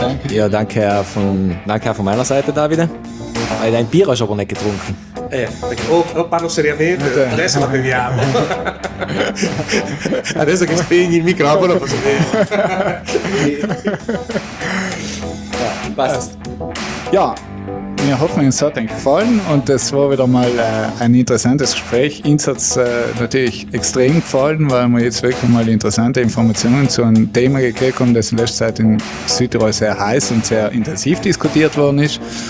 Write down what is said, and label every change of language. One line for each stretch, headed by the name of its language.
German: Ja, danke von meiner Seite, Davide. Weil dein Bier hast du aber nicht getrunken.
Italian: Parlo seriamente, adesso la beviamo. Adesso che spegni il microfono posso bere.
German: Ja, wir hoffen, es hat euch gefallen, und es war wieder mal ein interessantes Gespräch. Uns hat es natürlich extrem gefallen, weil wir jetzt wirklich mal interessante Informationen zu einem Thema gekriegt haben, das in letzter Zeit in Südtirol sehr heiß und sehr intensiv diskutiert worden ist.